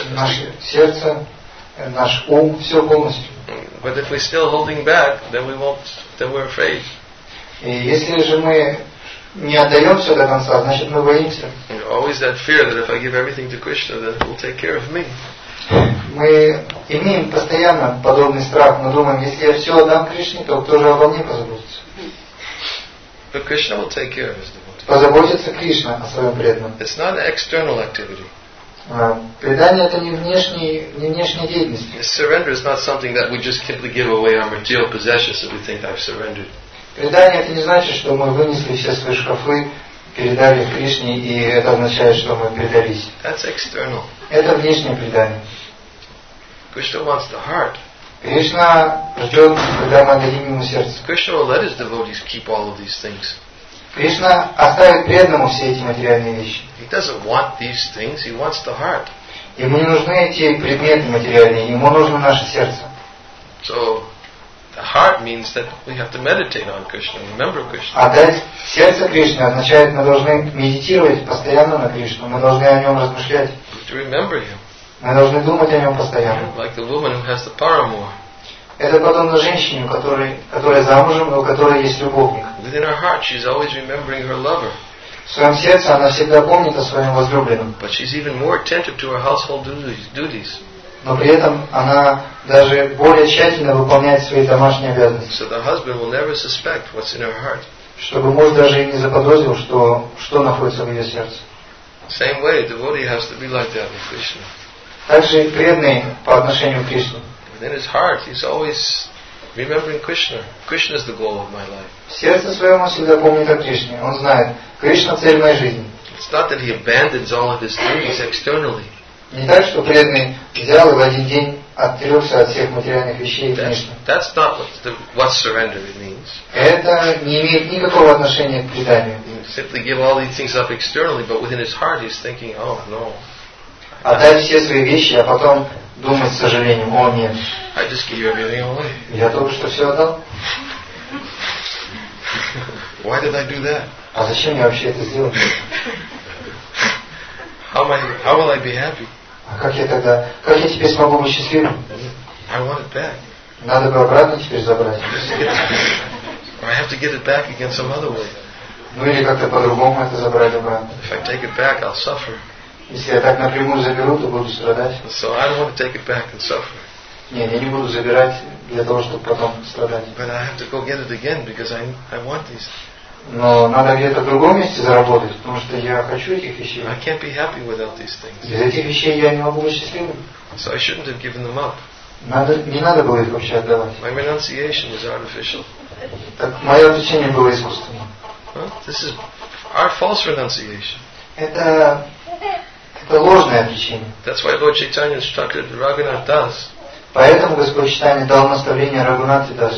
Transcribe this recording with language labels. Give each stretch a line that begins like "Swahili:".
Russian: Наше сердце, наш ум, все полностью.
English: But if we're still holding back, then we won't. Then we're afraid.
Russian: И если же мы не отдаем все до конца, значит мы боимся.
English: Always that fear that if I give everything to Krishna, then he'll take care of me.
Russian: Мы имеем постоянно подобный страх. Мы думаем, если я все отдам Кришне, то кто же обо мне позаботится?
English: But Krishna will take care of his devotees.
Russian: Позаботится Кришна о своем преданном.
English: It's not an external activity.
Russian: Предание это не внешняя деятельность.
English: Surrender is not something that we just simply give away our material possessions if we think I've surrendered.
Russian: Предание это не значит, что мы вынесли все свои шкафы, передали их Кришне, и это означает, что мы предались.
English: That's external.
Russian: Это внешнее предание.
English: Krishna wants the heart.
Russian: Кришна ждет, когда мы отдадим ему сердце.
English: Krishna will let his devotees keep all of these things.
Russian: Кришна оставит преданному все эти материальные вещи.
English: He doesn't want these things. He wants the heart.
Russian: Ему не нужны эти предметы материальные. Ему нужно наше сердце.
English: So, The heart means that we have to meditate on Krishna, remember Krishna.
Russian: Отдать сердце Кришне означает, мы должны медитировать постоянно на Кришну, мы должны о нем размышлять.
English: To remember him.
Russian: Мы должны думать о нем постоянно.
English: Like the woman who has the paramour.
Russian: Это подобно женщине, которая замужем, у которой есть любовник.
English: Within her heart, she's always remembering her lover.
Russian: В своем сердце она всегда помнит о своем возлюбленном.
English: But she's even more attentive to her household duties.
Russian: Но при этом она даже более тщательно выполняет свои домашние обязанности.
English: So the husband will never suspect what's in her heart.
Russian: Чтобы муж даже и не заподозрил, что находится в ее сердце.
English: Same way, devotee has to be like that with Krishna.
Russian: Также и преданный по отношению к Кришне.
English: In his heart, he's always remembering Krishna. Krishna is the goal of my life.
Russian: В сердце своем он всегда помнит о Кришне. Он знает, Кришна цель моей жизни.
English: It's not that he abandons all of his duties externally.
Russian: Не так, что преданный взял и в один день отрекся от всех материальных вещей и внешне.
English: That's not what surrender means.
Russian: Это не имеет никакого отношения к преданию.
English: Simply give all these things up externally, but within his heart he's thinking, oh no.
Russian: Отдать все свои вещи, а потом думать с сожалением, о нет.
English: I just gave everything away.
Russian: Я только что все отдал.
English: Why did I do that?
Russian: А зачем я вообще это сделал?
English: How will I be happy?
Russian: Как я теперь смогу быть счастливым?
English: I want it back.
Russian: Надо бы обратно теперь забрать.
English: I have to get it back again some other way.
Russian: Ну или как-то по-другому это забрать обратно.
English: If I take it back, I'll suffer.
Russian: Если я так напрямую заберу, то буду страдать.
English: So I don't want to take it back and suffer.
Russian: Нет, я не буду забирать для того, чтобы потом страдать.
English: But I have to go get it again because I want these.
Russian: Но надо где-то в другом месте заработать, потому что я хочу этих вещей.
English: I can't be happy without these things.
Russian: Без этих вещей я не могу быть счастливым.
English: So I shouldn't have given them up.
Russian: Не надо было их вообще отдавать.
English: My renunciation was artificial.
Russian: Так, мое отречение было искусственным.
English: This is our false renunciation.
Russian: Это ложное отречение.
English: That's why Lord Chaitanya instructed Raghunath Das.
Russian: Поэтому Господь Чайтанья дал наставление Рагунате Дасу.